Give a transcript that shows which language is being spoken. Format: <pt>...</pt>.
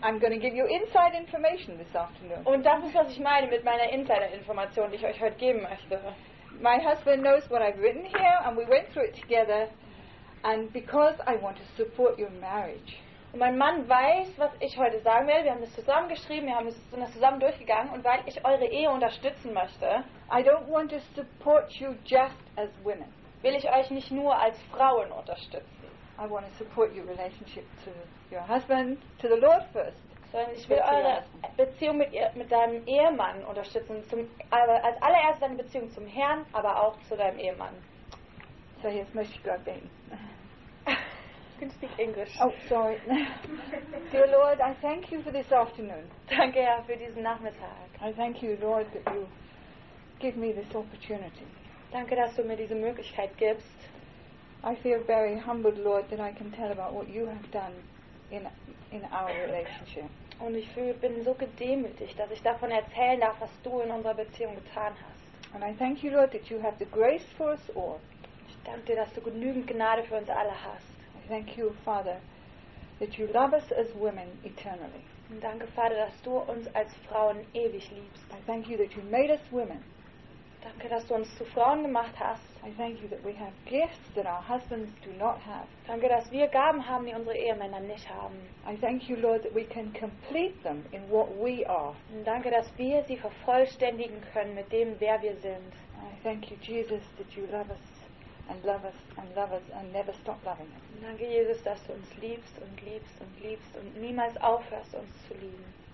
<en>I'm going to give you inside information this afternoon.</en> <de>Und das ist, was ich meine mit meiner Insider-Information, die ich euch heute geben möchte.</de> <en>My husband knows what I've written here, and we went through it together. And because I want to support your marriage.</en> <de>Und mein Mann weiß, was ich heute sagen werde. Wir haben das zusammen geschrieben, wir haben das zusammen durchgegangen. Und weil ich eure Ehe unterstützen möchte,</de> <en>I don't want to support you just as women.</en> <de>Will ich euch nicht nur als Frauen unterstützen.</de> <en>I want to support your relationship to your husband, to the Lord first.</en> <de>Sondern ich will eure Beziehung mit deinem Ehemann unterstützen. Als allererstes deine Beziehung zum Herrn, aber auch zu deinem Ehemann. So, jetzt möchte ich Gott beten.</de> <en>You can speak English. Oh, sorry. Dear Lord, I thank you for this afternoon.</en> <de>Danke, Herr, für diesen Nachmittag.</de> <en>I thank you, Lord, that you give me this opportunity.</en> <de>Danke, dass du mir diese Möglichkeit gibst.</de> <en>I feel very humbled, Lord, that I can tell about what you have done in our relationship.</en> <de>Und ich bin so gedemütigt, dass ich davon erzählen darf, was du in unserer Beziehung getan hast.</de> <en>And I thank you, Lord, that you have the grace for us all.</en> <de>Ich danke dir, dass du genügend Gnade für uns alle hast.</de> <en>Thank you, Father, that you love us as women eternally.</en> <de>Und danke, Vater, dass du uns als Frauen ewig liebst.</de> <en>I thank you that you made us women.</en> <de>Danke, dass du uns zu Frauen gemacht hast.</de> <en>I thank you that we have gifts that our husbands do not have.</en> <de>Danke, dass wir Gaben haben, die unsere Ehemänner nicht haben.</de> <en>I thank you, Lord, that we can complete them in what we are.</en> <de>Und danke, dass wir sie vervollständigen können mit dem, wer wir sind.</de> <en>I thank you, Jesus, that you love us. And love us and love us and never stop loving us.</en> <de>Danke, Jesus, dass du uns liebst und liebst und liebst und niemals aufhörst, uns zu lieben.</de>